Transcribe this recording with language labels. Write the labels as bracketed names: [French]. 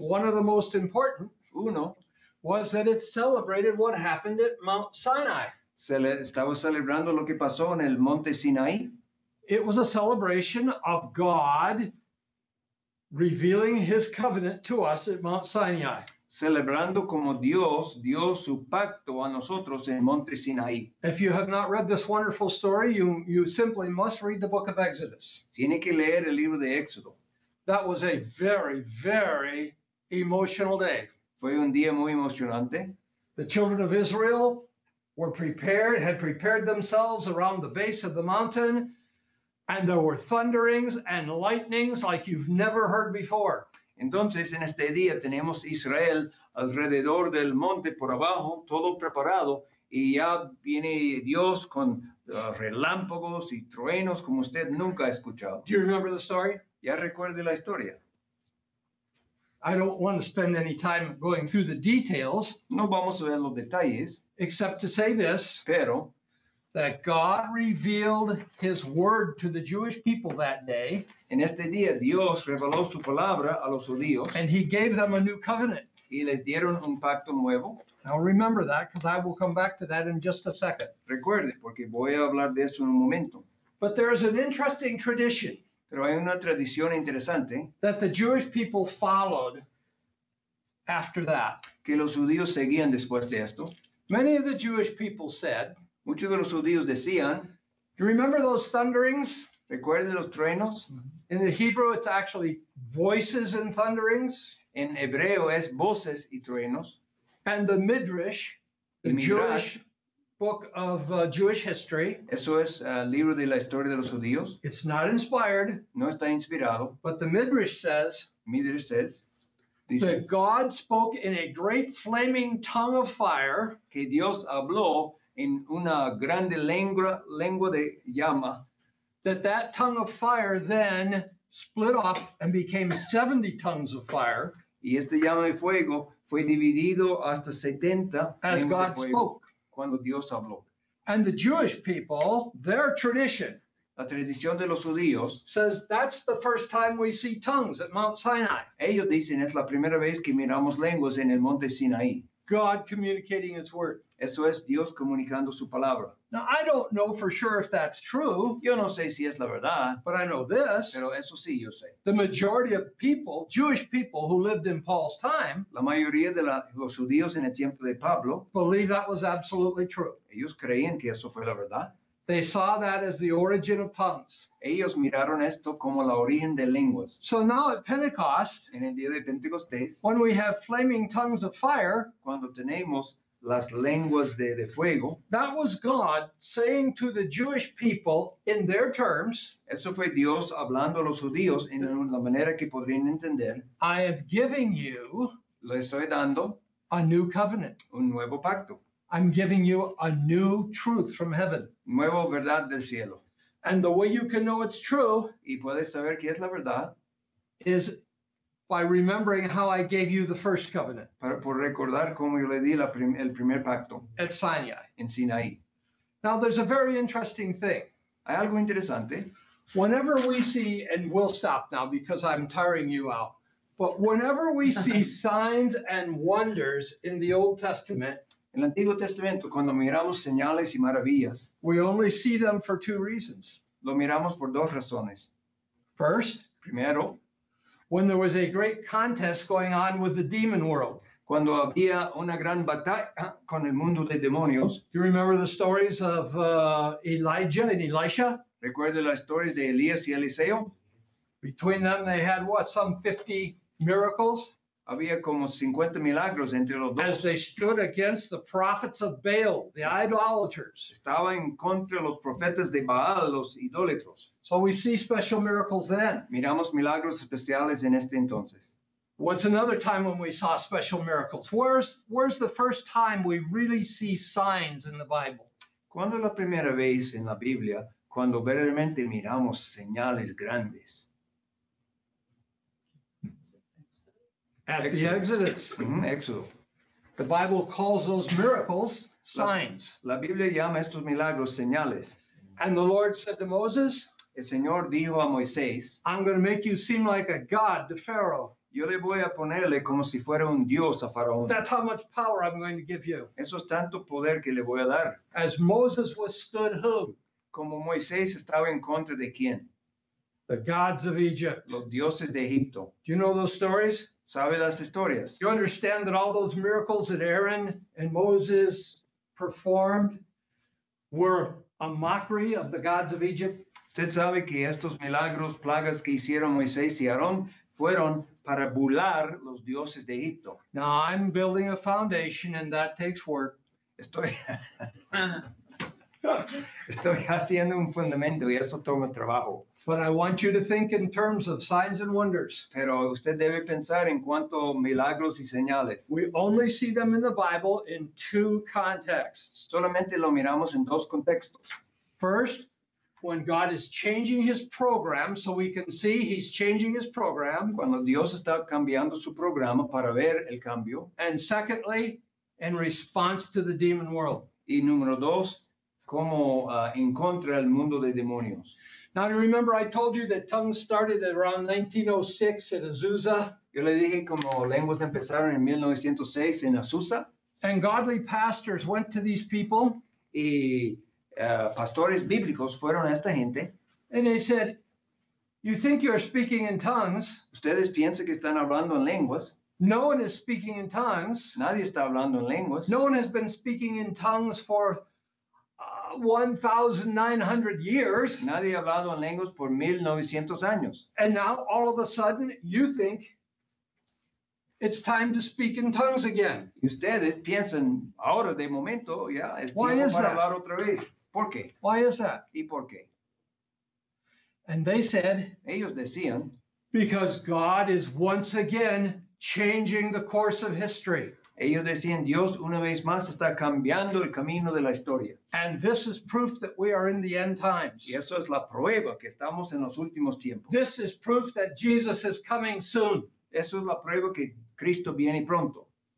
[English] One of the most important [Spanish] uno, [English] was that it celebrated what happened at Mount Sinai. [Spanish] Estaba celebrando lo que pasó en el Monte Sinai. [English] It was a celebration of God revealing his covenant to us at Mount Sinai. [Spanish] Celebrando como Dios dio su pacto a nosotros en Monte Sinaí. [English] If you have not read this wonderful story, you simply must read the book of Exodus. [Spanish] Tiene que leer el libro de Éxodo. [English] That was a very, very emotional day. [Spanish] Fue un día muy emocionante. [English] The children of Israel had prepared themselves around the base of the mountain, and there were thunderings and lightnings like you've never heard before. [Spanish] Entonces, en este día tenemos Israel alrededor del monte por abajo, todo preparado, y ya viene Dios con relámpagos y truenos como usted nunca ha escuchado. [English] Do you remember the story? [Spanish] ¿Ya recuerde la historia? [English] I don't want to spend any time going through the details. [Spanish] No vamos a ver los detalles. [English] Except to say this. [Spanish] Pero. [English] that God revealed his word to the Jewish people that day. [Spanish] En este día Dios reveló su palabra a los judíos. [English] And he gave them a new covenant. [Spanish] Y les dieron un pacto nuevo. [English] Now remember that, because I will come back to that in just a second. [Spanish] Recuerde, porque voy a hablar de eso en un momento. [English] But there is an interesting tradition. [Spanish] Pero hay una tradición interesante. [English] That the Jewish people followed after that. [Spanish] Que los judíos seguían después de esto. [English] Many of the Jewish people said. [Spanish] Muchos de los judíos decían. [English] Do you remember those thunderings? [Spanish] Recuerde los truenos. [English] In the Hebrew, it's actually voices and thunderings. [Spanish] En hebreo es voces y truenos. [English] And the Midrash, the Jewish book of Jewish history. [Spanish] Eso es libro de la historia de los judíos. [English] It's not inspired. [Spanish] No está inspirado. [English] But the Midrash says. Midrash says. [Spanish] Dice, [English] that God spoke in a great flaming tongue of fire. [Spanish] Que Dios habló en una grande lengua de llama. [English] That tongue of fire then split off and became 70 tongues of fire. [Spanish] Y este llama de fuego fue dividido hasta 70 [English] as God spoke. [Spanish] Cuando Dios habló. [English] And the Jewish people, their tradition, [Spanish] la tradición de los judíos, [English] says that's the first time we see tongues at Mount Sinai. [Spanish] Ellos dicen es la primera vez que miramos lenguas en el monte Sinaí. [English] God communicating his word. [Spanish] Eso es Dios comunicando su palabra. [English] Now, I don't know for sure if that's true. [Spanish] Yo no sé si es la verdad. [English] But I know this. [Spanish] Pero eso sí, yo sé. [English] The majority of people, Jewish people who lived in Paul's time. [Spanish] La mayoría de los judíos en el tiempo de Pablo. [English] Believe that was absolutely true. [Spanish] Ellos creían que eso fue la verdad. [English] They saw that as the origin of tongues. [Spanish] Ellos miraron esto como la origen de lenguas. [English] So now at Pentecost, [Spanish] en el día de Pentecostés, [English] when we have flaming tongues of fire, [Spanish] cuando tenemos las lenguas de fuego, [English] that was God saying to the Jewish people in their terms, [Spanish] eso fue Dios hablando a los judíos en la manera que podrían entender, [English] I am giving you, [Spanish] le estoy dando, [English] a new covenant, [Spanish] un nuevo pacto. [English] I'm giving you a new truth from heaven. [Spanish] Nueva verdad del cielo. [English] And the way you can know it's true. [Spanish] Y puedes saber que es la verdad. [English] Is by remembering how I gave you the first covenant. [Spanish] Por recordar cómo yo le di el primer pacto. [English] At Sinai. [Spanish] En Sinaí. [English] Now there's a very interesting thing. [Spanish] Hay algo interesante. [English] Whenever we see, and we'll stop now because I'm tiring you out. But whenever we see signs and wonders in the Old Testament. [Spanish] En el Antiguo Testamento, cuando miramos señales y maravillas, [English] we only see them for two reasons. [Spanish] Lo miramos por dos razones. [English] First, [Spanish] primero, [English] when there was a great contest going on with the demon world. [Spanish] Cuando había una gran batalla con el mundo de demonios. [English] Do you remember the stories of Elijah and Elisha? [Spanish] ¿Recuerda las historias de Elías y Eliseo? [English] Between them, they had what, some 50 miracles? [Spanish] Había como 50 milagros entre los dos. [English] As they stood against the prophets of Baal, the idolaters. [Spanish] Estaba en contra los profetas de Baal, los idólatros. [English] So we see special miracles then. [Spanish] Miramos milagros especiales en este entonces. [English] What's another time when we saw special miracles? Where's the first time we really see signs in the Bible? [Spanish] ¿Cuándo es la primera vez en la Biblia cuando verdaderamente miramos señales grandes? [English] At Exodus. The Exodus. Exodus. The Bible calls those miracles signs. [Spanish] La Biblia llama estos milagros señales. [English] And the Lord said to Moses, [Spanish] el Señor dijo a Moisés, [English] I'm going to make you seem like a god to Pharaoh. [Spanish] Yo le voy a ponerle como si fuera un dios a Faraón. [English] That's how much power I'm going to give you. [Spanish] Eso es tanto poder que le voy a dar. [English] As Moses was stood who? [Spanish] Como Moisés estaba en contra de quién? [English] The gods of Egypt. [Spanish] Los dioses de Egipto. [English] Do you know those stories? [Spanish] ¿Sabe las historias? [English] You understand that all those miracles that Aaron and Moses performed were a mockery of the gods of Egypt? [Spanish] ¿Usted sabe que estos milagros, plagas que hicieron Moisés y Aarón fueron para burlar los dioses de Egipto? [English] Now, I'm building a foundation and that takes work. [Spanish] Estoy haciendo un fundamento y eso toma trabajo. [English] But I want you to think in terms of signs and wonders. [Spanish] Pero usted debe pensar en cuanto milagros y señales. [English] We only see them in the Bible in two contexts. [Spanish] Solamente lo miramos en dos contextos. [English] First, when God is changing his program, so we can see he's changing his program. [Spanish] Cuando Dios está cambiando su programa para ver el cambio. [English] And secondly, in response to the demon world. [Spanish] Y número dos, como en contra del mundo de demonios. [English] Now, do you remember I told you that tongues started around 1906 at Azusa? [Spanish] Yo le dije como lenguas empezaron en 1906 en Azusa. [English] And godly pastors went to these people. [Spanish] Y pastores bíblicos fueron a esta gente. [English] And they said, you think you're speaking in tongues. [Spanish] Ustedes piensan que están hablando en lenguas. [English] No one is speaking in tongues. [Spanish] Nadie está hablando en lenguas. [English] No one has been speaking in tongues for 1,900 years. [Spanish] Nadie ha hablado en lenguas por 1,900 años. [English] And now, all of a sudden, you think it's time to speak in tongues again. [Spanish] Ustedes piensan ahora de momento, ya, es [English] Why [Spanish] tiempo [English] is [Spanish] para [English] that? [Spanish] Hablar otra vez. ¿Por qué? [English] Why is that? [Spanish] ¿Y por qué? [English] And they said, [Spanish] ellos decían, [English] because God is once again changing the course of history. [Spanish] Ellos decían, Dios una vez más está cambiando el camino de la historia. [English] And this is proof that we are in the end times. [Spanish] Y eso es la prueba que estamos en los últimos tiempos. [English] This is proof that Jesus is coming soon. [Spanish] Eso es la prueba que Cristo viene pronto.